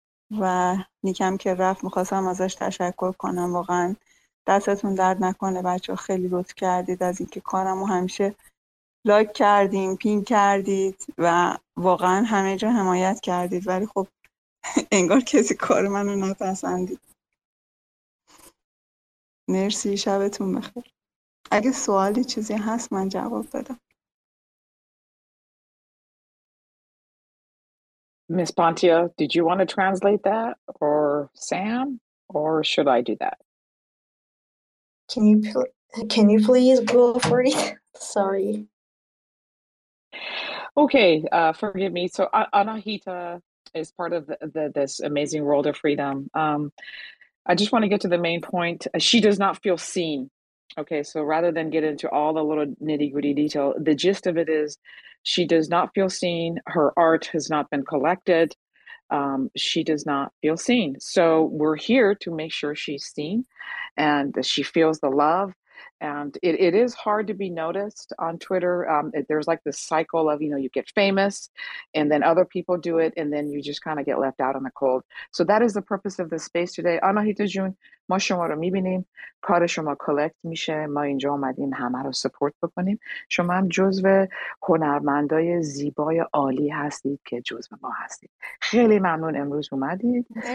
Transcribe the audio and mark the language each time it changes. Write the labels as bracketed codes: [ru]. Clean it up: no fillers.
[fa] و نیکم که رفت می‌خواستم ازش تشکر کنم واقعا دستتون درد نکنه بچه‌ها خیلی لطف کردید از اینکه کارمو همیشه لایک کردین پین کردید و واقعا همه جا حمایت کردید ولی خب انگار کسی کار منو نپسندید. مرسی شبتون بخیر. اگه سوالی چیزی هست من جواب دادم. [en] Miss Pontia, did you want to translate that or Sam or should I do that? Can you please go for it? Sorry. Okay, forgive me. So Anahita is part of this amazing world of freedom. I just want to get to the main point. She does not feel seen. Okay, so rather than get into all the little nitty-gritty detail, the gist of it is she does not feel seen. Her art has not been collected. She does not feel seen. So we're here to make sure she's seen and she feels the love. And it is hard to be noticed on Twitter. There's like this cycle of, you know, you get famous and then other people do it and then you just kind of get left out in the cold. So that is the purpose of this space today. [fa] Anahita Jun, ما شما رو میبینیم. کار شما کلکت میشه. ما اینجا آمدیم همه رو سپورت بکنیم. شما هم جزو هنرمندای زیبای عالی هستید که جزو ما هستید. خیلی ممنون امروز اومدید.